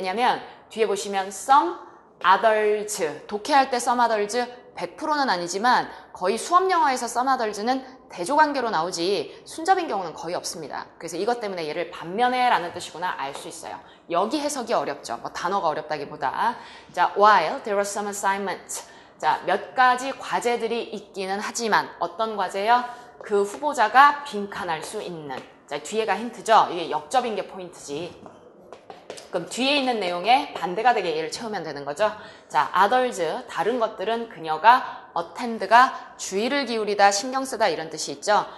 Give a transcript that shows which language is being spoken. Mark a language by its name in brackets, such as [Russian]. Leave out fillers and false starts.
[Korean] 왜냐하면 뒤에 보시면 some others, 독해할 때 some others 100%는 아니지만 거의 수업 영어에서 some others는 대조관계로 나오지 순접인 경우는 거의 없습니다. 그래서 이것 때문에 얘를 반면에 라는 뜻이구나 알 수 있어요. 여기 해석이 어렵죠. 뭐 단어가 어렵다기보다. [English] 자, while there are some assignments. [Korean] 자, 몇 가지 과제들이 있기는 하지만 어떤 과제요? 그 후보자가 빈칸할 수 있는. 자, 뒤에가 힌트죠. 이게 역접인 게 포인트지. 그럼 뒤에 있는 내용에 반대가 되게 얘를 채우면 되는 거죠. 자, others, 다른 것들은 그녀가 attend가 주의를 기울이다, 신경 쓰다 이런 뜻이 있죠.